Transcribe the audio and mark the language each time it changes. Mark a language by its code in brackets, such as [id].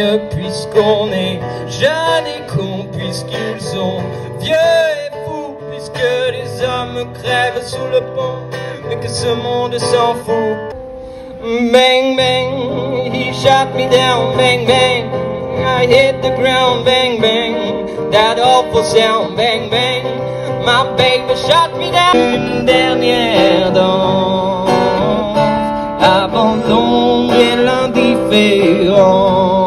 [fr] puisqu'on est jeune et con, puisqu'ils sont vieux et fous, puisque les hommes crèvent sous le pont, mais que ce monde s'en fout. [en] Bang bang, he shot me down. Bang bang, I hit the ground. Bang bang, that awful sound. Bang bang, my baby shot me down. [fr] Une dernière danse, abandon et l'indifférence.